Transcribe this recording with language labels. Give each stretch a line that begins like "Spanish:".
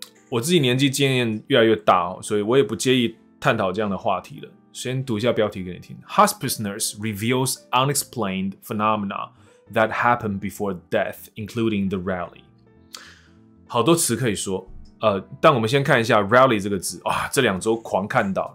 Chinese: 我自己年纪经验越来越大，所以我也不介意探讨这样的话题了。先读一下标题给你听
English: ：Hospice nurse reveals unexplained phenomena that happened before death, including the rally。
Chinese: 好多词可以说，但我们先看一下 rally 这个字啊，这两周狂看到。